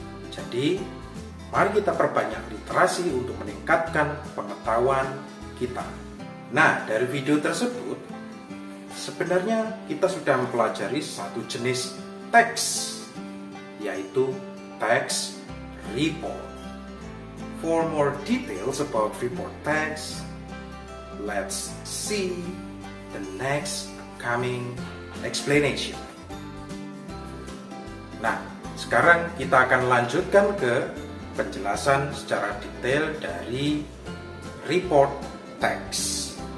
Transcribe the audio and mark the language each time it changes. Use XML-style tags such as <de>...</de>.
<id>Jadi, mari kita perbanyak literasi untuk meningkatkan pengetahuan kita. Nah, dari video tersebut, sebenarnya kita sudah mempelajari satu jenis teks, yaitu teks report.</id> <en>For more details about report teks, let's see the next coming explanation.</en> <id>Nah, sekarang kita akan lanjutkan ke penjelasan secara detail dari report teks.</id>